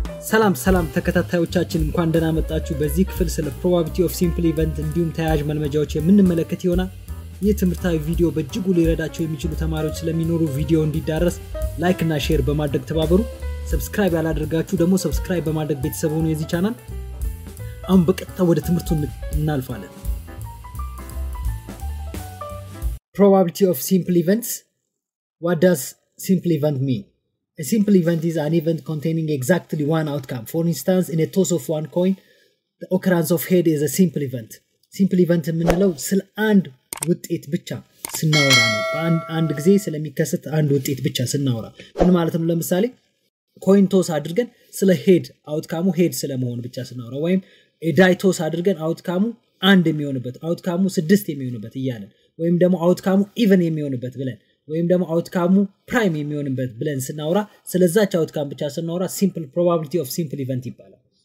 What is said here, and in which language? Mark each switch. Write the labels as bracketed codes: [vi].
[am] ሰላም ሰላም ተከታታዮቻችን እንኳን ደህና መጣችሁ በዚህ ክፍል ስለ probability of simple event እንዲሁም ተያያዥ መልመጃዎች የምንመለከት ይሆናል። ይህ ትምህርታዊ ቪዲዮ በእጅጉ ሊረዳቸው የሚችሉ ተማሪዎች ስለሚኖሩ ቪዲዮው እንዲዳረስ ላይክ እና ሼር በማድረግ ተባበሩ። Subscribe ያላደረጋችሁ ደግሞ Subscribe በማድረግ ቤተሰብ ሆኑ የዚህ ቻናል። አሁን በቀጥታ ወደ ትምህርቱ እናልፋለን። [en] Probability of simple events. What does simple event mean? A simple event is an event containing exactly one outcome. For instance, in a toss of one coin, the occurrence of head is a simple event. [am] Simple event የምንለው ስለ አንድ ውጤት ብቻ ስናወራ ነው። አንድ ጊዜ ስለሚከሰት አንድ ውጤት ብቻ ስናወራ ምን ማለት ነው? ለምሳሌ coin toss አድርገን ስለ head outcome head ስለመሆን ብቻ ስናወራ ወይም a die toss አድርገን outcome አንድ የሚሆንበት outcome 6 የሚሆንበት ይያለን ወይም ደግሞ outcome even የሚሆንበት ብለን ወይም ደግሞ አውትካሙ ፕራይም የሚሆንበት ብለን ስናወራ ስለዛች አውትካም ብቻ ስናወራ ሲምፕል probability of simple event ይባላል።